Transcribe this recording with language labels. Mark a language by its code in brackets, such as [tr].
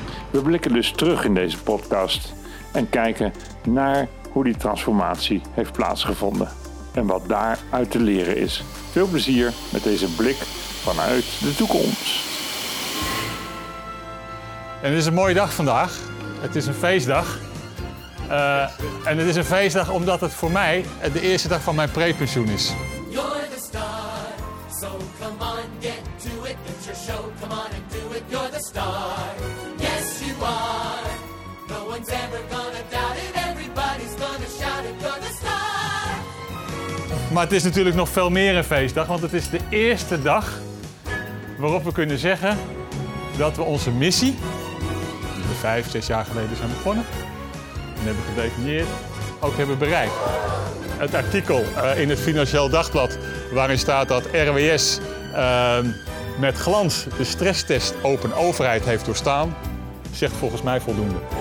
[nl] We blikken dus terug in deze podcast en kijken naar hoe die transformatie heeft plaatsgevonden en wat daaruit te leren is. Veel plezier met deze blik vanuit de toekomst. En het is een mooie dag vandaag. Het is een feestdag. En het is een feestdag omdat het voor mij de eerste dag van mijn prepensioen is. [en] You're the star, so come on, get to it. It's your show, come on and do it. You're the star, yes you are. No one's ever gonna doubt it. Everybody's gonna shout it. You're the star. [nl] Maar het is natuurlijk nog veel meer een feestdag, want het is de eerste dag waarop we kunnen zeggen dat we onze missie, die we 5-6 jaar geleden zijn begonnen, en hebben gedefinieerd, ook hebben bereikt. Het artikel in het Financieel Dagblad waarin staat dat RWS met glans de stresstest open overheid heeft doorstaan, zegt volgens mij voldoende.